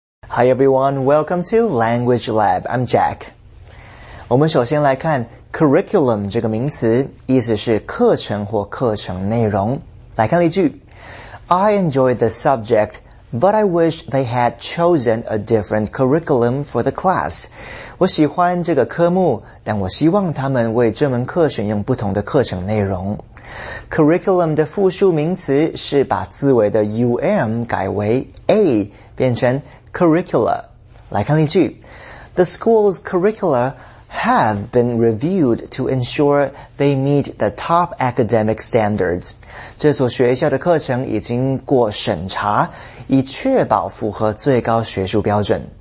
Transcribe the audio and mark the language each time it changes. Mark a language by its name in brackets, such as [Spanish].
[English] Hi everyone, welcome to Language Lab. I'm Jack. [Chinese] 我们首先来看 curriculum 这个名词，意思是课程或课程内容。来看例句 [English] ，I enjoy the subject, but I wish they had chosen a different curriculum for the class. [Chinese] 我喜欢这个科目，但我希望他们为这门课选用不同的课程内容。 Curriculum 的复数名词是把字尾的 um 改为 a， 变成 curricula。来看例句 [English] ，The school's curricula。 Have been reviewed to ensure they meet the top academic standards. [Chinese] 这所学校的课程已经过审查，以确保符合最高学术标准。